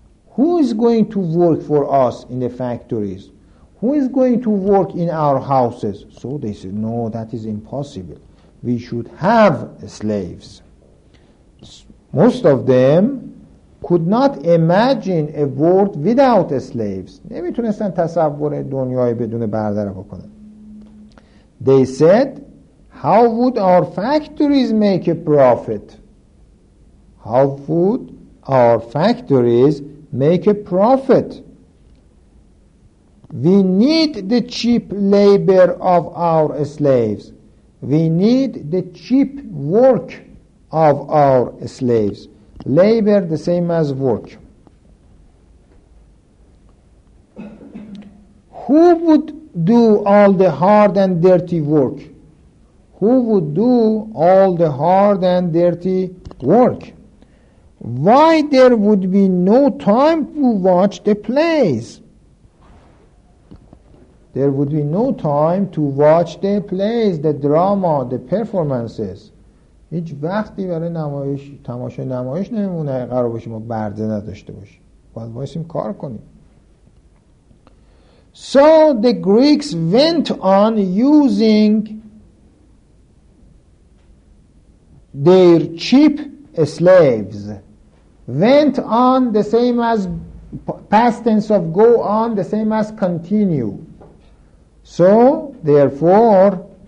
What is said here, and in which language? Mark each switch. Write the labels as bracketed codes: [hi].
[en] Who is going to work for us in the factories? Who is going to work in our houses? So they said, no, that is impossible. We should have slaves. Most of them could not imagine a world without slaves. [fa] نمیتونستن تصور دنیای بدون برادر بکنن. [en] They said, how would our factories make a profit? How would our factories make a profit? We need the cheap labor of our slaves. We need the cheap work of our slaves. Labor, the same as work. Who would do all the hard and dirty work? Who would do all the hard and dirty work? Why there would be no time to watch the plays? There would be no time to watch the plays, the drama, the performances. [fa] هیچ وقتی برای نمایش تماشای نمایش نمیمونه قرار باشیم و برده نداشته باشیم. باید بایستیم کار کنیم. [en] So the Greeks went on using their cheap slaves. Went on, the same as past tense of go on, the same as continue. So, therefore,